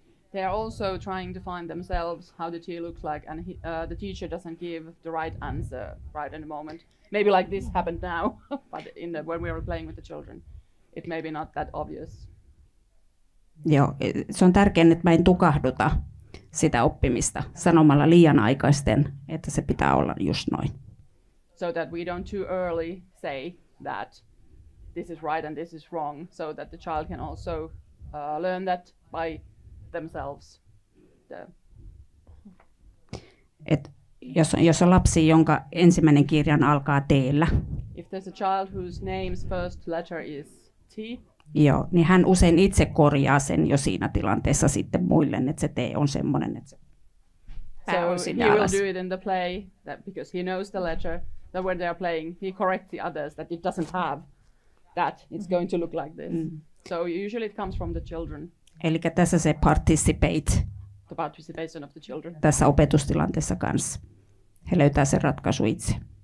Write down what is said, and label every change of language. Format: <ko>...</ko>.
<en>They are also trying to find themselves how the tea looks like, and the teacher doesn't give the right answer right in the moment. Maybe like this happened now, but when we were playing with the children, it may be not that obvious.</en> <fi>Joo, se on tärkeää, että mä en tukahduta sitä oppimista sanomalla liian aikaisten, että se pitää olla just noin.</fi> <en>So that we don't too early say that this is right and this is wrong, so that the child can also learn that by themselves.</en> <fi>Et jos on lapsi, jonka ensimmäinen kirjan alkaa T:llä.</fi> <en>If there's a child whose name's first letter is T.</en> <fi>Joo, niin hän usein itse korjaa sen jo siinä tilanteessa sitten muille, että se T on semmoinen, että se pää on sinne alas.</fi> <en>So he will do it in the play, that because he knows the letter, that when they are playing, he corrects the others, that it doesn't have that, it's going to look like this. Mm. So usually it comes from the children.</en> <fi>Eli tässä se participate.</fi> <en>The participation of the children.</en> <fi>Tässä opetustilanteessa kanssa. He löytää sen ratkaisu itse.</fi>